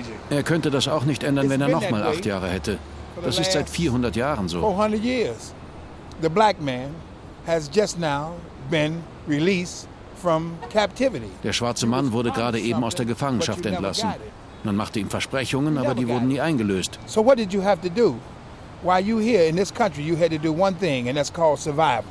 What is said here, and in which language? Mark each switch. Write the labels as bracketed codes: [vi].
[de] Er könnte das auch nicht ändern, wenn er noch mal 8 Jahre hätte. Das ist seit 400 Jahren so. [en] The black man has just now been released from captivity. [de] Der schwarze Mann wurde gerade eben aus der Gefangenschaft entlassen. Man machte ihm Versprechungen, aber die wurden nie eingelöst. [en] So what did you have to do? While you here in this country, you had to do one thing, and that's called survival.